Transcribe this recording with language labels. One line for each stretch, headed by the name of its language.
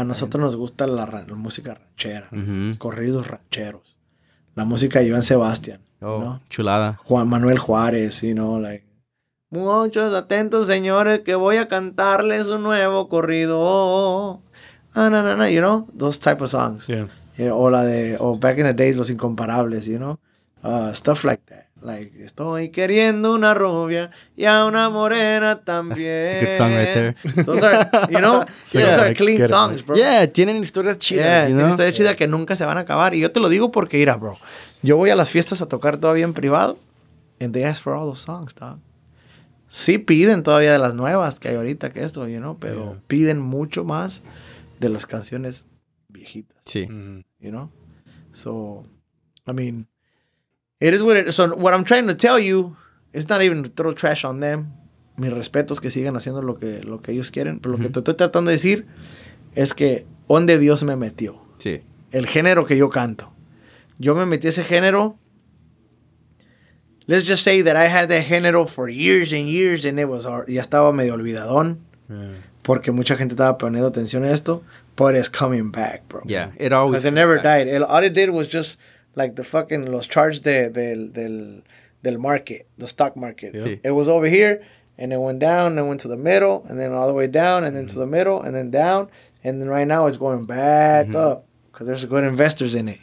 Spanish: A nosotros nos gusta la música ranchera, mm-hmm. corridos rancheros, la música de Joan Sebastián. Oh, ¿no? Chulada.
English: Juan Manuel Juárez, you know, like.
Spanish: Muchos atentos, señores, que voy a cantarles un nuevo corrido.
English: No, you know, those type of songs. Yeah. You know, o la de, o back in the days, Los Incomparables, you know. Stuff like that.
Spanish: Like, estoy queriendo una rubia y a una morena también.
English: That's a good song right there. Those are, you know, so those are clean songs, bro.
Spanish: Yeah, tienen historias chidas,
English: yeah, you know.
Spanish: Tienen historias chidas que nunca se van a acabar. Y yo te lo digo porque, mira, bro, yo voy a las fiestas a tocar todavía en privado.
English: And they ask for all those songs, dog.
Spanish: Sí piden todavía de las nuevas que hay ahorita que esto, you know, pero yeah. piden mucho más de las canciones viejitas. Sí. Mm-hmm.
English: You know? So, I mean, it is what it is. So, what I'm trying to tell you, it's not even to throw trash on them.
Spanish: Mis respetos que sigan haciendo lo que ellos quieren. Pero lo mm-hmm. que te estoy tratando de decir es que ¿dónde Dios me metió? Sí. El género que yo canto. Yo me metí ese género.
English: Let's just say that I had that genero for years and years and it was hard.
Spanish: Ya estaba medio olvidadón.
English: Yeah.
Spanish: Porque mucha gente estaba poniendo atención a esto.
English: But it's coming back, bro. Yeah, it always. Because it never back. Died. All it did was just like the fucking los charts del market, the stock market. Yep. Sí. It was over here and it went down and went to the middle and then all the way down and then mm-hmm. to the middle and then down. And then right now it's going back mm-hmm. up because there's good investors in it,